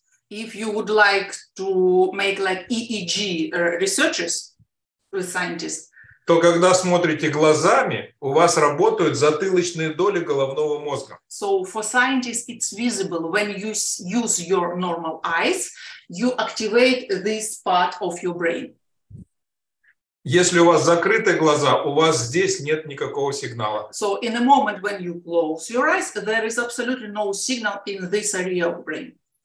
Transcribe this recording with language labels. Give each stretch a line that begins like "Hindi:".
English: if you would like to make like EEG researches with scientists,
Russian: то когда смотрите глазами, у вас работают затылочные доли головного мозга.
English: So for scientists, it's visible. When you use your normal eyes, you activate this part of your brain.
Russian: Если у вас закрыты глаза, у вас здесь нет никакого сигнала.
English: So in a moment when you close your eyes, there is absolutely no signal in this area of brain.